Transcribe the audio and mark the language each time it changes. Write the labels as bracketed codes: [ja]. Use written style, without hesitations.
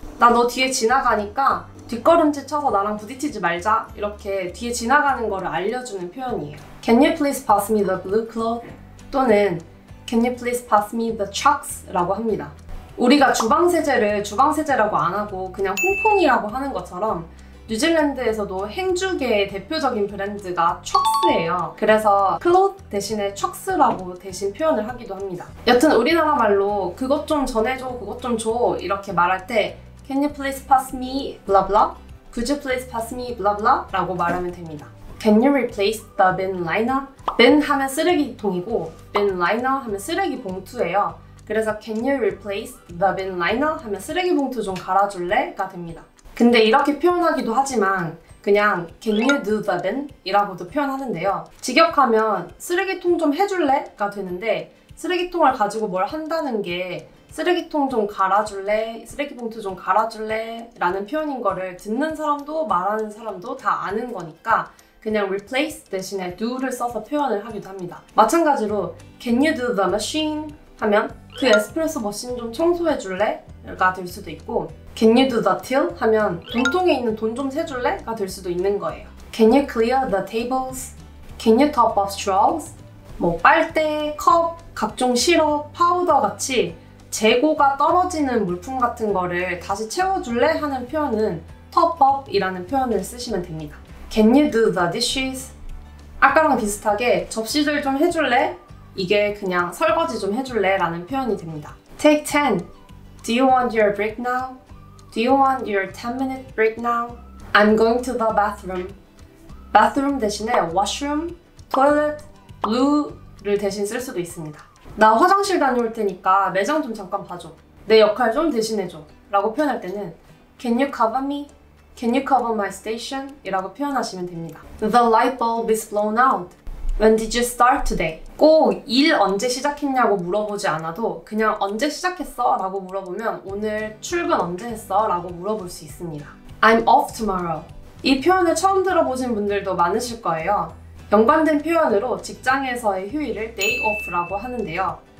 [ko] 나 너 뒤에 지나가니까 뒷걸음질 쳐서 나랑 부딪히지 말자. 이렇게 뒤에 지나가는 거를 알려주는 표현이에요. [en] Can you please pass me the blue cloth? [ko] 또는 [en] Can you please pass me the chalks? [ko] 라고 합니다. 우리가 주방세제를 주방세제라고 안 하고 그냥 홍콩이라고 하는 것처럼 뉴질랜드에서도 행주계의 대표적인 브랜드가 촉스예요. 그래서 클롯 대신에 촉스라고 대신 표현을 하기도 합니다. 여튼 우리나라 말로 그것 좀 전해줘, 그것 좀 줘 이렇게 말할 때 [en] Can you please pass me blah blah? Could you please pass me blah blah? [ko] 라고 말하면 됩니다. [en] Can you replace the bin liner? [ko] Bin 하면 쓰레기통이고 bin liner 하면 쓰레기 봉투예요. 그래서 [en] Can you replace the bin liner? [ko] 하면 쓰레기 봉투 좀 갈아줄래? 가 됩니다. 근데 이렇게 표현하기도 하지만 그냥 [en] Can you do the bin? [ko] 이라고도 표현하는데요. 직역하면 쓰레기통 좀 해줄래? 가 되는데 쓰레기통을 가지고 뭘 한다는 게 쓰레기통 좀 갈아줄래? 쓰레기 봉투 좀 갈아줄래? 라는 표현인 거를 듣는 사람도 말하는 사람도 다 아는 거니까 그냥 replace 대신에 do를 써서 표현을 하기도 합니다. [en] 마찬가지로 Can you do the machine? [ko] 하면 그 에스프레소 머신 좀 청소해 줄래? 가 될 수도 있고 [en] Can you do the till? [ko] 하면 돈통에 있는 돈 좀 세줄래? 가 될 수도 있는 거예요. [en] Can you clear the tables? Can you top up straws? [ko] 뭐 빨대, 컵, 각종 시럽, 파우더 같이 재고가 떨어지는 물품 같은 거를 다시 채워줄래? 하는 표현은 top up 이라는 표현을 쓰시면 됩니다. [en] Can you do the dishes? [ko] 아까랑 비슷하게 접시들 좀 해줄래? 이게 그냥 설거지 좀 해줄래? 라는 표현이 됩니다. [en] Take 10. Do you want your break now? Do you want your 10-minute break now? I'm going to the bathroom. [ko] Bathroom 대신에 washroom, toilet, loo를 대신 쓸 수도 있습니다. 나 화장실 다녀올 테니까 매장 좀 잠깐 봐줘. 내 역할 좀 대신해줘. 라고 표현할 때는 [en] Can you cover me? Can you cover my station? [ko] 이라고 표현하시면 됩니다. [en] The light bulb is blown out. When did you start today? [ko] 꼭 일 언제 시작했냐고 물어보지 않아도 그냥 언제 시작했어? 라고 물어보면 오늘 출근 언제 했어? 라고 물어볼 수 있습니다. [en] I'm off tomorrow. [ko] 이 표현을 처음 들어보신 분들도 많으실 거예요. 연관된 표현으로 직장에서의 휴일을 day off라고 하는데요.